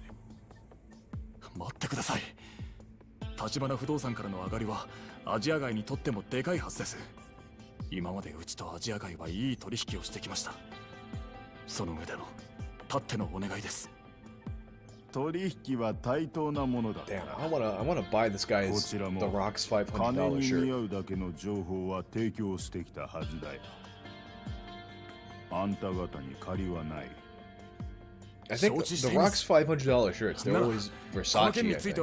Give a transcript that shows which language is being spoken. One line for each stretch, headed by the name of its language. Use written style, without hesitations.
Japanese: え。待ってください。立花不動産からの上がりはアジア街にとってもでかいはずです。今までうちとアジア街はいい取引をしてきました。その上でのたってのお願いです。取引は対等なものだ。
English: Damn, I wanna buy this guy's The Rock's $500 shirt。
Japanese: 金に見合うだけの情報は提供してきたはずだよ。あんた方に借りはない。
English: I think the Rock's $500 shirts, they're always Versace, I think.